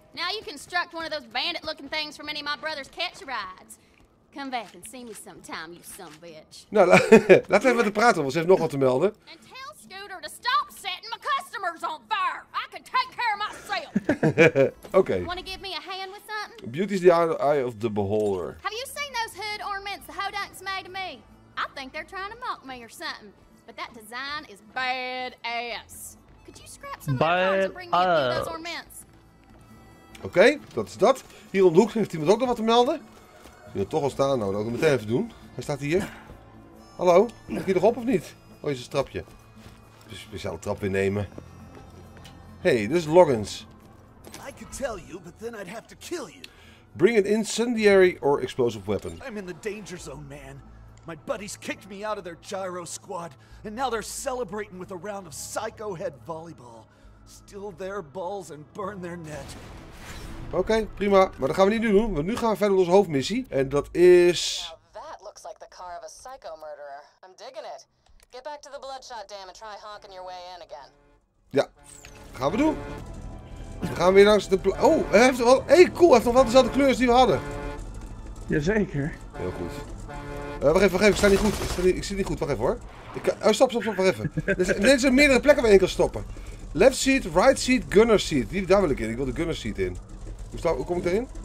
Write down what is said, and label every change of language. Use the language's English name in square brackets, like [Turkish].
[English] Now you construct one of those bandit looking things from any of my brother's catch rides. Come back and see me sometime, you some bitch. [Dutch] Nou, laten we even met haar praten, want ze heeft nog wat te melden. [English] And tell Scooter to stop setting my customers on fire. I can take care of myself. Okay. Wanna give me a hand with something? Beauty's the eye of the beholder. Have you seen those hood ornaments the Hodunks made of me? I think they're trying to mock me or something. But that design is badass. Could you scrap some of that to bring me a few of those ornaments? [Dutch] Okay, dat is dat. Hier om de hoek heeft iemand ook nog wat te melden. Je wil toch al staan, nou, dat moet ik meteen even doen. Hij staat hier. Hallo, mag ik hier nog op of niet? Oh, is een trapje. Een speciale trap innemen. Hey, dit is Loggins. [English] I could tell you, but then I'd have to kill you. Bring an incendiary or explosive weapon. I'm in the danger zone, man. My buddies kicked me out of their gyro squad, and now they're celebrating with a round of psycho head volleyball. Steal their balls and burn their net. [Dutch] Oké, prima. Maar dat gaan we niet nu doen, want nu gaan we verder met onze hoofdmissie. En dat is... Dat lijkt me de car van een psycho-murderer. Ik dig het. [English] Get back to the bloodshot dam and try honking your way in again. [Dutch] Ja, gaan we doen. We gaan weer langs de... Oh, hij heeft wel... Hey, cool, hij heeft nog wel dezelfde kleur als die we hadden. Jazeker. Heel goed. Wacht even, ik sta niet goed. Ik zit niet goed, wacht even hoor. Stop, wacht even. Dit zijn meerdere plekken waar je kan stoppen. [English] Left seat, right seat, gunner seat. [Dutch] Die, daar wil ik in. Ik wil de gunner seat in. Hoe kom ik erin?